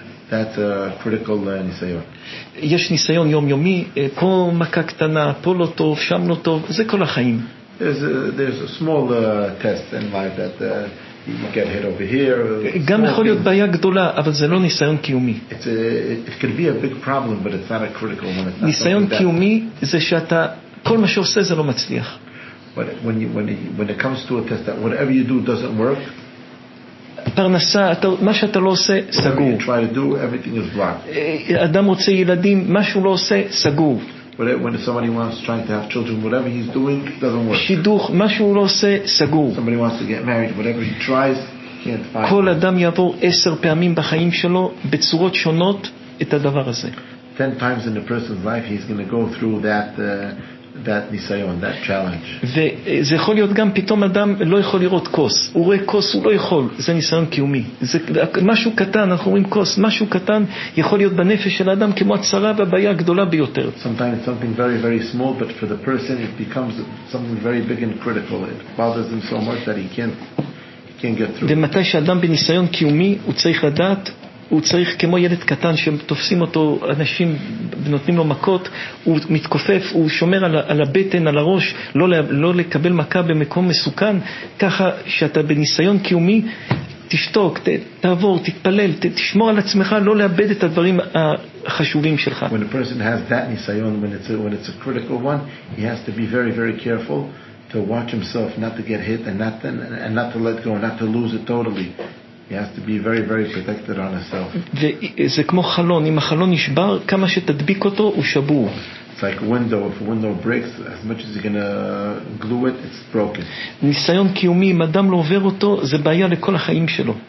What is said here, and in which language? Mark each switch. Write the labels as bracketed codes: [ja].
[en] That's a critical ניסיון. [he] יש ניסיון יומיומי, פה מכה קטנה, פה לא טוב, שם לא טוב, זה כל החיים. [en] There's a small test in life that you get hit over here. [he] גם יכול להיות בעיה גדולה, אבל זה לא ניסיון קיומי. [en] It can be a big problem, but it's not a critical one. [he] ניסיון קיומי זה שאתה, כל מה שעושה זה לא מצליח. [en] But when it comes to a test that whatever you do doesn't work. [he] פרנסה, מה שאתה לא עושה סגור. [en] Whatever you try to do, everything is blocked. [he] אדם רוצה ילדים, מה שהוא לא עושה סגור. [en] When somebody wants trying to have children, whatever he's doing doesn't work. [he] שידוך, מה שהוא לא עושה סגור. [en] Somebody wants to get married, whatever he tries, can't find. [he] כל אדם יעבור 10 פעמים בחיים שלו בצורות שונות את הדבר הזה. [en] 10 times in a person's life he's going to go through that that ניסיון, that challenge. [he] וזה יכול להיות גם פתאום אדם לא יכול לראות כוס, הוא רואה כוס הוא לא יכול, זה ניסיון קיומי. זה משהו קטן, אנחנו רואים כוס, משהו קטן יכול להיות בנפש של האדם כמו הצרה והבעיה הגדולה ביותר. [en] Sometimes it's something very very small, but for the person it becomes something very big and critical. It bothers him so much that he can't get through. [he] ומתי שאדם בניסיון קיומי הוא צריך לדעת הוא צריך כמו ילד קטן שתופסים אותו אנשים ונותנים לו מכות, הוא מתכופף, הוא שומר על הבטן, על הראש, לא לקבל מכה במקום מסוכן, ככה שאתה בניסיון קיומי תשתוק, תעבור, תתפלל, תשמור על עצמך, לא לאבד את הדברים החשובים שלך. [en] When a person has that ניסיון, when it's a critical one, he has to be very very careful to watch himself not to get hit and not to let go, not to lose it totally. He has to be very very protected on himself. [he] זה כמו חלון, אם החלון נשבר, כמה שתדביק אותו, הוא שבור. [en] It's like a window. If a window breaks, as much as you're going to glue it, it's broken. [he] ניסיון קיומי, אם אדם לא עובר אותו, זה בעיה לכל החיים שלו.